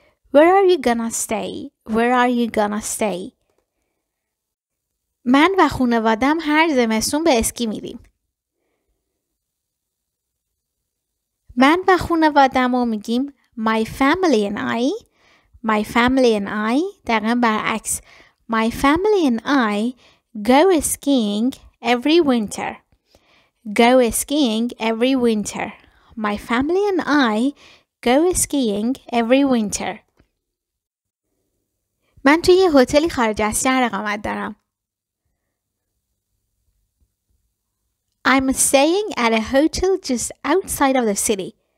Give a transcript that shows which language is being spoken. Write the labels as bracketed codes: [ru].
[en] Where are you gonna stay? Where are you gonna stay? [fa] من و خانوادم هر زمستون به اسکی میریم. من و خانوادم رو میگیم [en] My family and I. My family and I. [fa] دقیقا برعکس. [en] My family and I go skiing every winter. Go skiing every winter. My family and I go skiing every winter. [fa] من توی یه هتلی خارج از شهر اقامت دارم. [en] I'm staying at a hotel just outside of the city.